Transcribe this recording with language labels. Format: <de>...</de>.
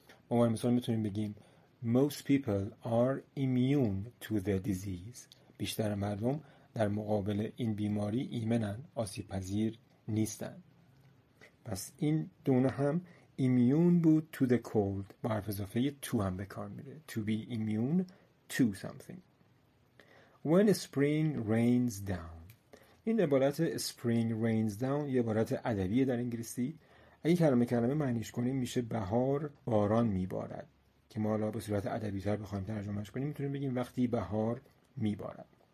<fa>با عنوان مثال میتونیم بگیم</fa> <en>most people are immune to the disease.</en> <fa>بیشتر مردم در مقابل این بیماری ایمنن، آسیب پذیر نیستن. پس این دونه هم immune بود</fa> <en>to the cold.</en> <fa>با حرف اضافه to هم به کار میره.</fa> <en>To be immune to something. When spring rains down.</en> <fa>این عبارت</fa> <en>spring rains down</en> <fa>یه عبارت ادبیه در انگلیسی. اگه کلمه کلمه معنیش کنیم میشه بهار باران میبارد. که ما حالا به صورت ادبی تر بخوایم ترجمهش کنیم میتونیم بگیم وقتی بهار میبارد.</fa>